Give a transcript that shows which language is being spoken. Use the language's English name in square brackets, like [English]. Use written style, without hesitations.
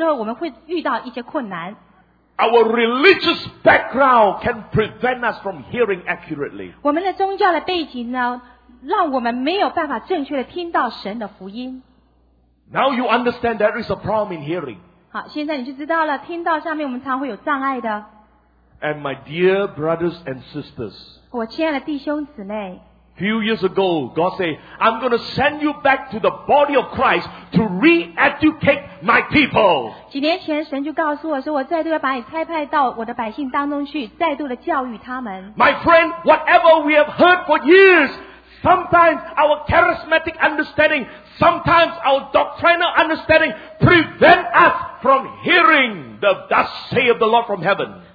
[Chinese] 福音呢，这章的这个接触点呢，有时候我们会遇到一些困难。 [English] Our religious background can prevent us from hearing accurately. [Chinese] 我们的宗教的背景呢，让我们没有办法正确的听到神的福音。 [English] Now you understand there is a problem in hearing. [Chinese] 好，现在你就知道了，听到上面我们常会有障碍的。 [English] And my dear brothers and sisters, [Chinese] 我亲爱的弟兄姊妹。 [English] Few years ago, God said, I'm going to send you back to the body of Christ to re-educate my people. [Chinese] 几年前神就告诉我说，我再度要把你差派到我的百姓当中去，再度的教育他们。 [English] My friend, whatever we have heard for years, sometimes our charismatic understanding, sometimes our doctrinal understanding prevent us from hearing the thus say of the Lord from heaven.